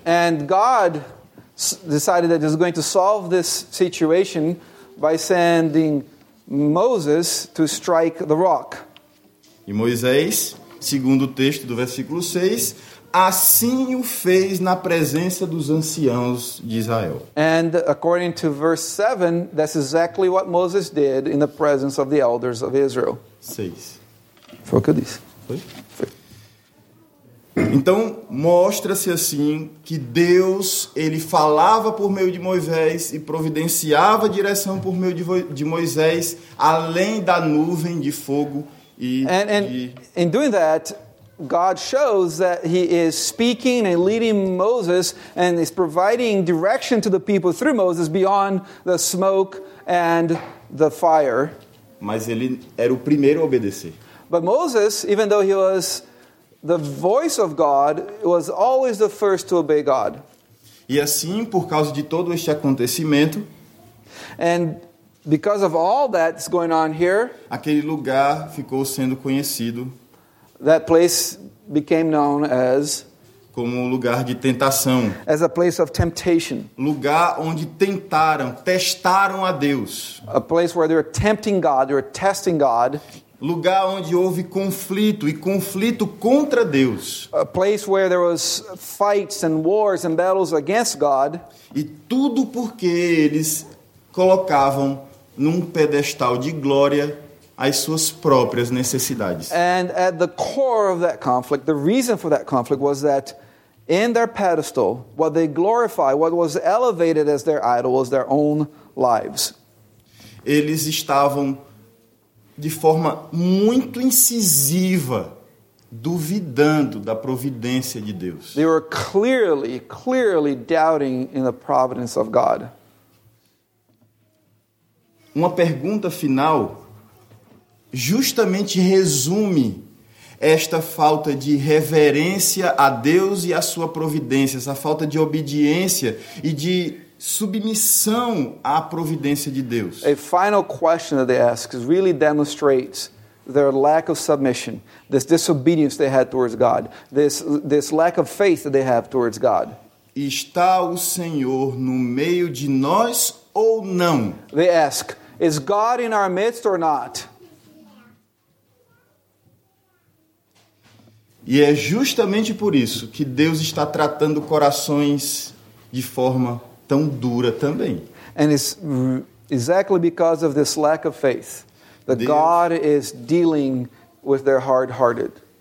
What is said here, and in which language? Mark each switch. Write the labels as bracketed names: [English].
[English] And God decided that he was going to solve this situation by sending Moses to strike the rock. [Portuguese] E Moisés segundo o texto do versículo 6, assim o fez na presença dos anciãos de Israel. [English] And according to verse 7, that's exactly what Moses did in the presence of the elders of Israel. 6. [Portuguese] Foi o que eu disse. Foi? Então, mostra-se assim que Deus, ele falava por meio de Moisés e providenciava a direção por meio de Moisés, além da nuvem de fogo e [English] In doing that, God shows that he is speaking and leading Moses and is providing direction to the people through Moses beyond the smoke and the fire. [Portuguese] Mas ele era o primeiro a obedecer. [English] But Moses, even though he was the voice of God, was always the first to obey God. [Portuguese] E assim, por causa de todo este acontecimento, [English] and because of all that's going on here, [Portuguese] aquele lugar ficou sendo conhecido, [English] that place became known as, [Portuguese] como lugar de tentação, [English] as a place of temptation, [Portuguese] lugar onde tentaram, testaram a Deus, [English] a place where they were tempting God, they were testing God, [Portuguese] lugar onde houve conflito e conflito contra Deus, [English] a place where there was fights and wars and battles against God, [Portuguese] e tudo porque eles colocavam num pedestal de glória as suas próprias necessidades. [English] And at the core of that conflict, the reason for that conflict was that in their pedestal, what they glorified, what was elevated as their idol, was their own lives. [Portuguese] Eles estavam de forma muito incisiva duvidando da providência de Deus. [English] They were clearly, clearly doubting in the providence of God. [Portuguese] Uma pergunta final justamente resume esta falta de reverência a Deus e a sua providência, essa falta de obediência e de submissão à providência de Deus. [English] A final question that they ask really demonstrates their lack of submission, this disobedience they had towards God, this lack of faith that they have towards God. [Portuguese] Está o Senhor no meio de nós ou não? [English] They ask, is God in our midst or not? [Portuguese] E é justamente por isso que Deus está tratando corações de forma tão dura também. [English] And it's exactly because of this lack of faith that Deus, God is dealing with their hard-hearted.